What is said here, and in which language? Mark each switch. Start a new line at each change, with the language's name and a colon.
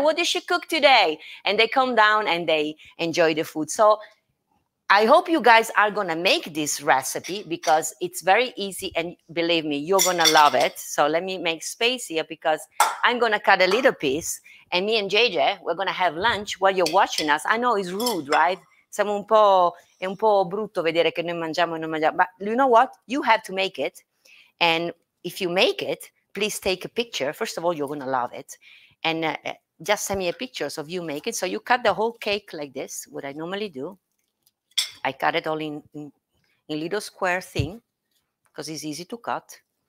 English: What did she cook today? And they come down and they enjoy the food. So I hope you guys are going to make this recipe because it's very easy and believe me, you're going to love it. So let me make space here because I'm going to cut a little piece and me and JJ, we're going to have lunch while you're watching us. I know it's rude, right?
Italian: Siamo un po' brutto vedere che noi mangiamo e non mangiamo.
English: But you know what? You have to make it. And if you make it, please take a picture. First of all, you're going to love it. And just send me a picture of you making. So you cut the whole cake like this, what I normally do. I cut it all in little square thing because it's easy to cut.